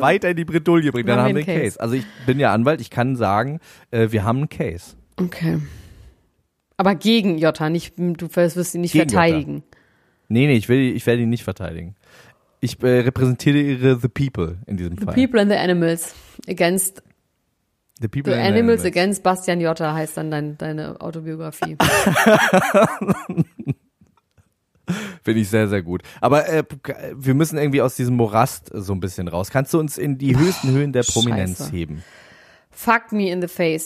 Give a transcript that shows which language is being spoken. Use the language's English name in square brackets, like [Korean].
[German] weiter in die Bredouille bringen. Dann haben wir einen Case. Also ich bin ja Anwalt, ich kann sagen, wir haben einen Case. Okay. Aber gegen Jotta, nicht, du wirst ihn nicht gegen verteidigen. Jotta. Nee, ich werde ihn nicht verteidigen. Ich repräsentiere The People in diesem Fall. [English] The People and the Animals against The People the and Animals. Animals [German] Against Bastian Jotta heißt dann deine Autobiografie. Finde ich sehr, sehr gut. Aber wir müssen irgendwie aus diesem Morast so ein bisschen raus. Kannst du uns in die höchsten Höhen der Prominenz heben? [English] Fuck me in the face.